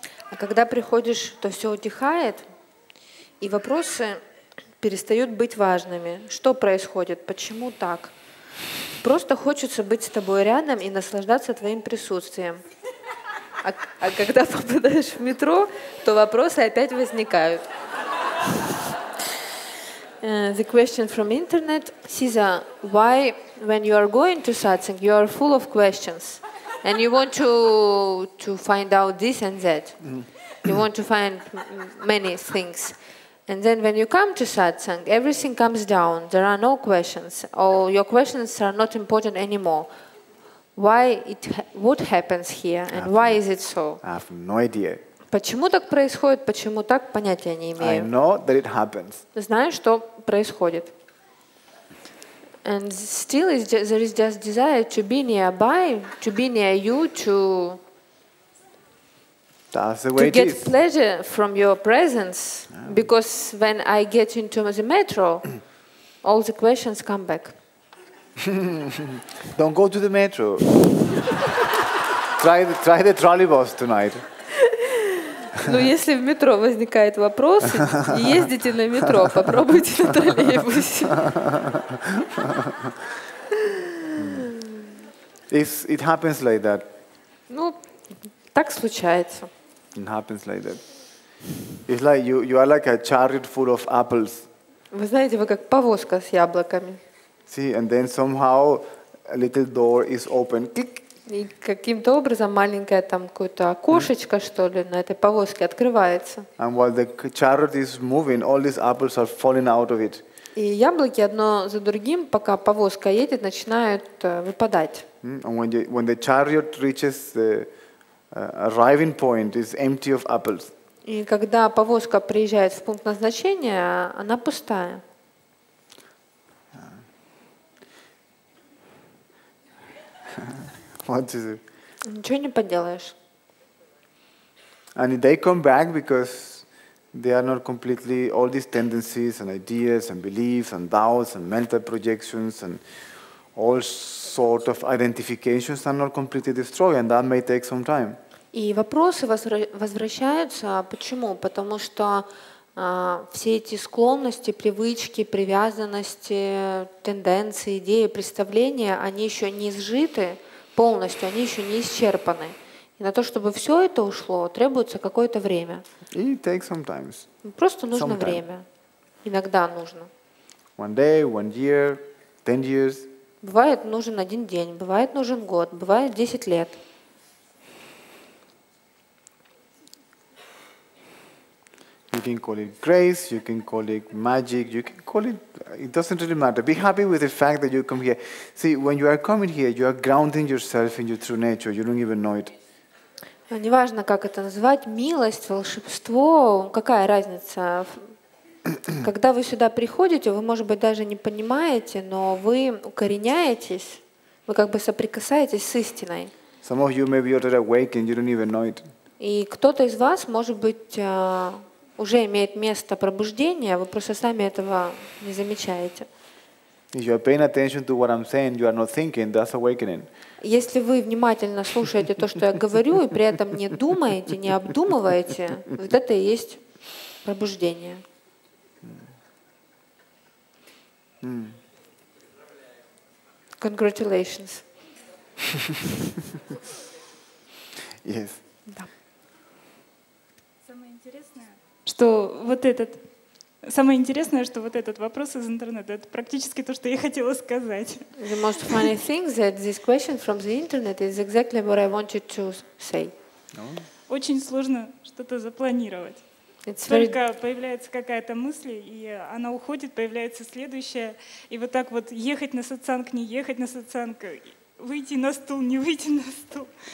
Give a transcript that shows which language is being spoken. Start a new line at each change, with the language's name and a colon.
Russian: А когда приходишь, то все утихает, и вопросы перестают быть важными. Что происходит? Почему так? Просто хочется быть с тобой рядом и наслаждаться твоим присутствием. А когда попадаешь в метро, то вопросы опять возникают.
English: The question from internet, Siza, why when you are going to satsang, you are full of questions and you want to find out this and that. You want to find many things. And then when you come to satsang, everything comes down. There are no questions. All your questions are not important anymore. Why it what happens here and why is it so? I have no idea.
Russian: Почему так происходит, почему так, понятия не имею.
English: I know that it happens.
Russian: Знаю, что происходит.
English: And still is just, there is just desire to be nearby, to be near you, to, that's the way to get it is. Pleasure from your presence. Yeah. Because when I get into the metro, all the questions come back. Don't go to the metro. Try the trolleybus tonight.
Russian: Ну, если в метро возникает вопрос, ездите на метро, попробуйте на троллейбусе.
English: It happens like that.
Russian: Ну, так случается.
English: It happens like that. It's like you are like a chariot full of apples.
Russian: Вы знаете, вы как повозка с яблоками.
English: See, and then somehow a little door is open. Click.
Russian: И каким-то образом маленькое там какое-то окошечко, что ли, на этой повозке открывается.
English: And while the chariot is moving, all these apples are falling out of it.
Russian: И яблоки одно за другим, пока повозка едет, начинают выпадать.
English: And when the chariot reaches the arriving point is empty of apples.
Russian: И когда повозка приезжает в пункт назначения, она пустая.
English: What is it?
Russian: Ничего не поделаешь.
English: And they come back because they are not completely all these tendencies and ideas and beliefs and doubts and mental projections and all sort of identifications are not completely destroyed, and that may take some time.
Russian: И вопросы возвращаются. Почему? Потому что все эти склонности, привычки, привязанности, тенденции, идеи, представления, они еще не сжиты полностью, они еще не исчерпаны. И на то, чтобы все это ушло, требуется какое-то время.
English: It takes sometimes.
Russian: Просто нужно время. Иногда нужно.
English: One day, one year, 10 years.
Russian: Бывает нужен один день, бывает нужен год, бывает 10 лет.
English: You can call it grace, you can call it magic, you can call it, it doesn't really matter. Be happy with the fact that you come here. See, when you are coming here, you are grounding yourself in your true nature. You don't even know it.
Russian: Неважно, как это назвать, милость, волшебство, какая разница. Когда вы сюда приходите, вы, может быть, даже не понимаете, но вы укореняетесь, вы как бы соприкасаетесь с истиной.
English: Some of you may be already awake and you don't even know it.
Russian: И кто-то из вас, может быть, уже имеет место пробуждение, вы просто сами этого не замечаете.
English: If you are paying attention to what I'm saying, you are not thinking, that's awakening.
Russian: Если вы внимательно слушаете то, что я говорю, и при этом не думаете, не обдумываете, вот это и есть пробуждение.
English: Congratulations. Yes.
Russian: Да. Что вот этот, самое интересное, что вот этот вопрос из интернета, это практически то, что я хотела сказать.
English: The most funny thing that this question from the internet is exactly what I wanted to say.
Russian: Очень сложно что-то запланировать. Только появляется какая-то мысль, и она уходит, появляется следующая, и вот так вот ехать на сатсанг, не ехать на сатсанг, выйти на стул, не выйти на стул.